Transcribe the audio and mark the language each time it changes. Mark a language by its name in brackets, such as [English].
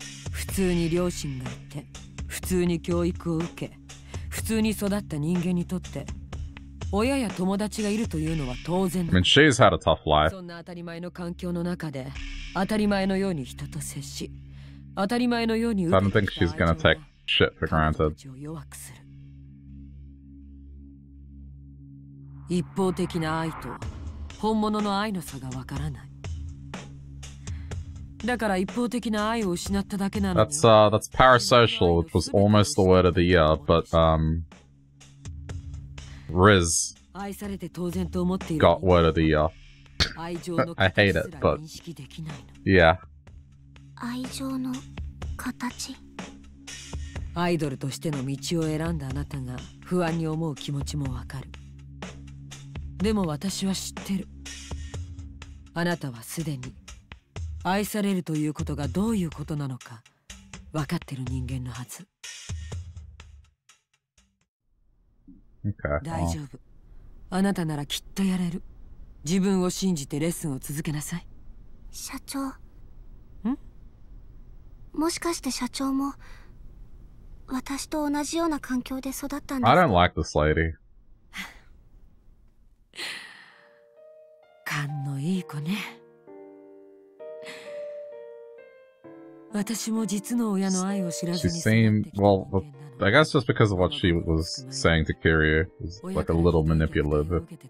[Japanese] 普通に両親がいて、普通に教育を受け、普通に育った人間にとって親や友達がいるというのは当然。 [English] I mean, she's had a tough life. [Japanese] そんな当たり前の環境の中で、当たり前のように人と接し、当たり前のように。 [English] I don't think she's gonna take shit for granted. [Japanese] 弱くする。一方的な愛と本物の愛の差がわからない。だから一方的な愛を失っただけなの。 [English] That's parasocial, which was almost the word of the year, but Riz [Japanese] 愛されて当然と思っている [English] got word of the year. I hate it, but yeah. [Japanese] 愛情の形。アイドルとしての道を選んだあなたが不安に思う気持ちもわかる。でも私は知ってる。あなたはすでに愛されるということがどういうことなのか分かってる人間のはず。 [English] Okay. [Japanese] 大丈夫。あなたならきっとやれる。自分を信じてレッスンを続けなさい。社長。ん？もしかして社長も私と同じような環境で育ったんですか？ [English] I don't like this lady. [Japanese] 勘のいい子ね。私も実の親の愛を知らずに。 [English] She seemed, well, but... I guess just because of what she was saying to Kiryu was like a little manipulative.